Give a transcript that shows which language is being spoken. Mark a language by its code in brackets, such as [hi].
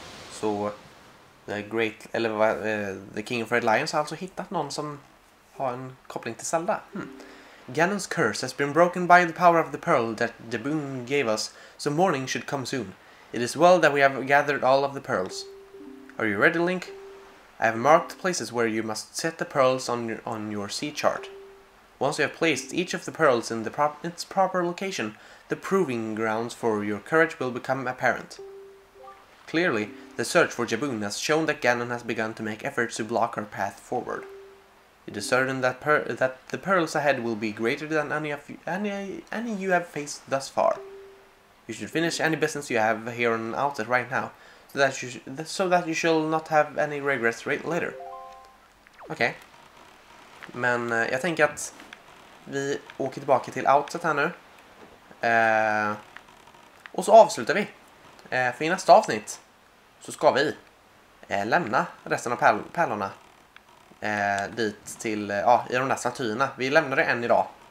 [en] So, the great [sv] the King of Red Lions har alltså hittat någon som har en koppling till Zelda. [en] Ganon's curse has been broken by the power of the pearl that the boon gave us, so morning should come soon. It is well that we have gathered all of the pearls. Are you ready, Link? I have marked places where you must set the pearls on your sea chart. Once you have placed each of the pearls in its proper location, the proving grounds for your courage will become apparent. Clearly, the search for Jabun has shown that Ganon has begun to make efforts to block our path forward. It is certain that the pearls ahead will be greater than any you have faced thus far. You should finish any business you have here on Outset right now, so that you shall not have any regrets later. Okay. [sv] Men jag tänker att vi åker tillbaka till Outset här nu. Och så avslutar vi. För i nästa avsnitt så ska vi lämna resten av pärlorna dit till, ja, i de där statyerna. Vi lämnar det en idag.